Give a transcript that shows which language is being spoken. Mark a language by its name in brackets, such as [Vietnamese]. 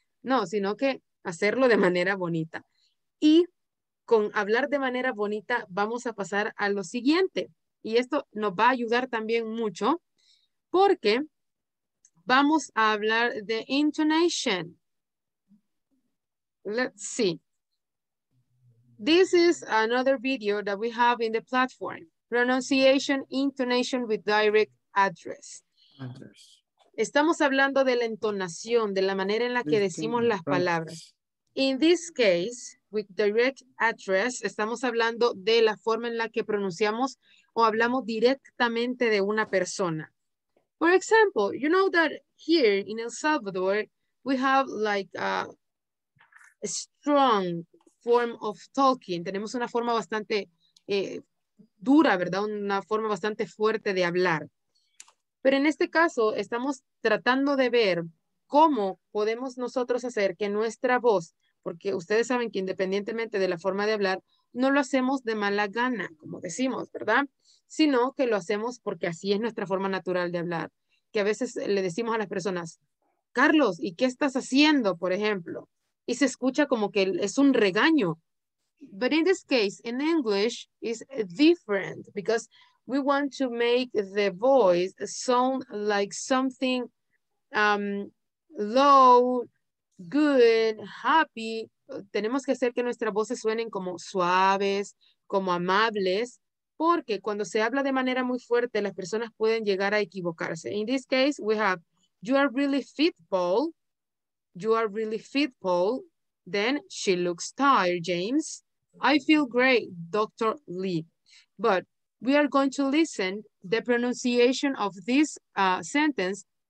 [Spanish] No, sino que hacerlo de manera bonita. Y con hablar de manera bonita, vamos a pasar a lo siguiente. Y esto nos va a ayudar también mucho, porque vamos a hablar de intonation. [English] Let's see. This is another video that we have in the platform. Pronunciation, intonation with direct address. [Spanish] Estamos hablando de la entonación, de la manera en la que decimos las palabras. [English] In this case, with direct address, [Spanish] estamos hablando de la forma en la que pronunciamos o hablamos directamente de una persona. [English] For example, you know that here in El Salvador, we have like a strong form of talking. [Spanish] Tenemos una forma bastante dura, ¿verdad? Una forma bastante fuerte de hablar. Pero en este caso, estamos tratando de ver cómo podemos nosotros hacer que nuestra voz, porque ustedes saben que independientemente de la forma de hablar, no lo hacemos de mala gana, como decimos, ¿verdad? Sino que lo hacemos porque así es nuestra forma natural de hablar. Que a veces le decimos a las personas, Carlos, ¿y qué estás haciendo, por ejemplo? Y se escucha como que es un regaño. [English] But in this case, in English, it's different because we want to make the voice sound like something low, good, happy. [Spanish] Tenemos que hacer que nuestras voces suenen como suaves, como amables, porque cuando se habla de manera muy fuerte, las personas pueden llegar a equivocarse. [English] In this case, we have, you are really fit, Paul. You are really fit, Paul. Then she looks tired, James. I feel great, Dr. Lee. But we are going to listen the pronunciation of this sentence.